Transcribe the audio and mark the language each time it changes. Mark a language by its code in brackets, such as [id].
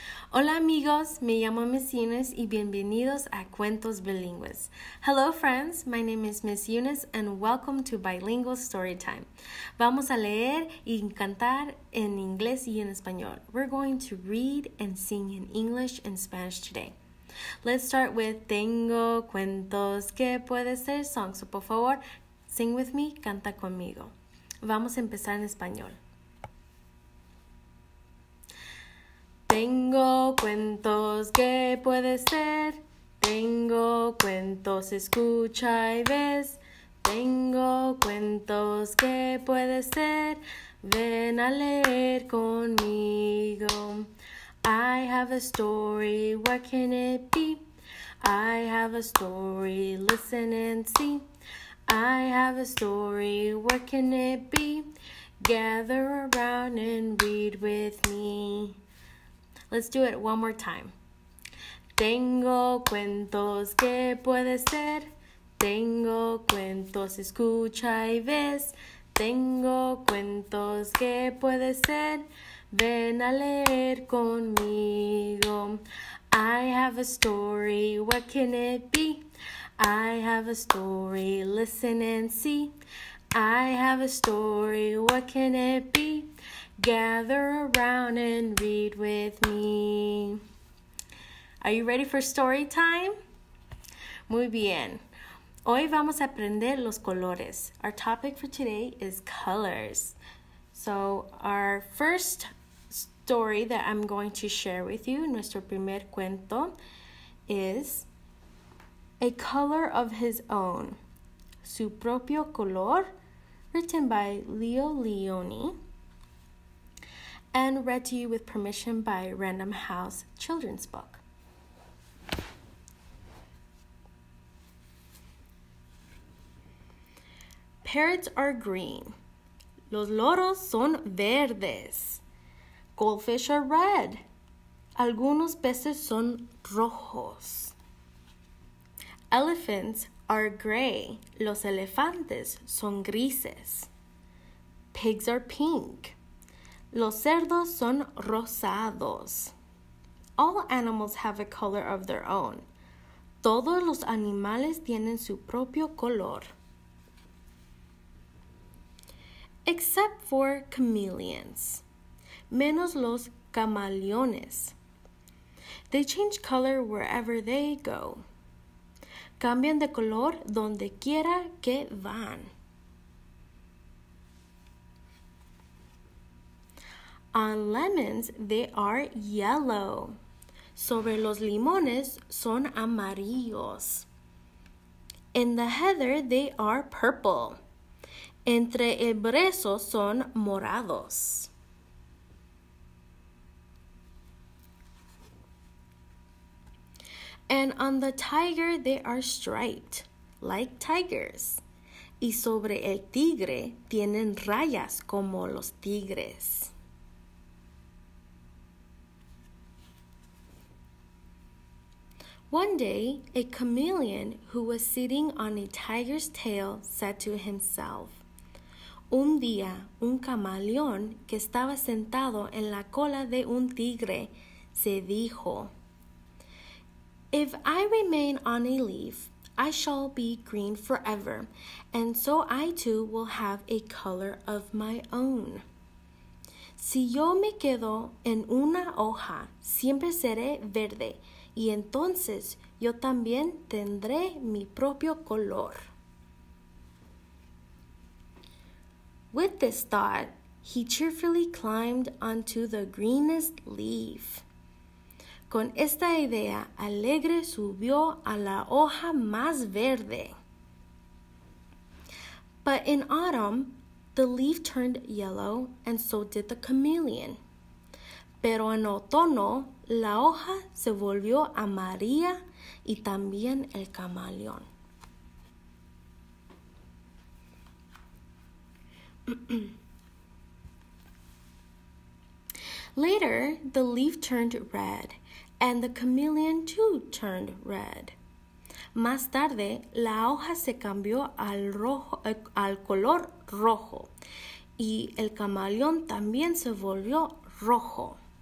[es] Hola amigos, me llamo Miss Eunice y bienvenidos a Cuentos Bilingües. [en] Hello friends, my name is Miss Eunice and welcome to Bilingual Storytime. [es] Vamos a leer y cantar en inglés y en español. [en] We're going to read and sing in English and Spanish today. Let's start with [es] Tengo cuentos que puede ser [en] song. So [es] por favor, [en] sing with me, [es] canta conmigo. Vamos a empezar en español. Tengo cuentos que puede ser, tengo cuentos, escucha y ves. Tengo cuentos que puede ser, ven a leer conmigo. [en] I have a story, what can it be? I have a story, listen and see. I have a story, what can it be? Gather around and read with me. Let's do it one more time. [es] Tengo cuentos que puede ser. Tengo cuentos, escucha y ves. Tengo cuentos que puede ser. Ven a leer conmigo. [en] I have a story, what can it be? I have a story, listen and see. I have a story, what can it be? Gather around and read with me. Are you ready for story time? [es] Muy bien. Hoy vamos a aprender los colores. [en] Our topic for today is colors. So our first story that I'm going to share with you, [es] nuestro primer cuento, [en] is A Color of His Own. [es] Su propio color, [en] written by [es] Leo Leoni. [en] And read to you with permission by Random House Children's Book. Parrots are green. [es] Los loros son verdes. [en] Goldfish are red. [es] Algunos peces son rojos. [en] Elephants are gray. [es] Los elefantes son grises. [en] Pigs are pink. [es] Los cerdos son rosados. [en] All animals have a color of their own. [es] Todos los animales tienen su propio color. [en] Except for chameleons. [es] Menos los camaleones. [en] They change color wherever they go. [es] Cambian de color donde quiera que van. [en] On lemons, they are yellow. [es] Sobre los limones, son amarillos. [en] In the heather, they are purple. [es] Entre el brezo, son morados. [en] And on the tiger, they are striped, like tigers. [es] Y sobre el tigre, tienen rayas como los tigres. [en] One day, a chameleon who was sitting on a tiger's tail said to himself, [es] Un día, un camaleón que estaba sentado en la cola de un tigre se dijo, [en] If I remain on a leaf, I shall be green forever, and so I too will have a color of my own. [es] Si yo me quedo en una hoja, siempre seré verde. Y entonces, yo también tendré mi propio color. [en] With this thought, he cheerfully climbed onto the greenest leaf. [es] Con esta idea, alegre subió a la hoja más verde. [en] But in autumn, the leaf turned yellow, and so did the chameleon. [es] Pero en otoño, la hoja se volvió amarilla y también el camaleón. [en] Later, the leaf turned red, and the chameleon too turned red. [es] Más tarde, la hoja se cambió al color rojo, y el camaleón también se volvió rojo.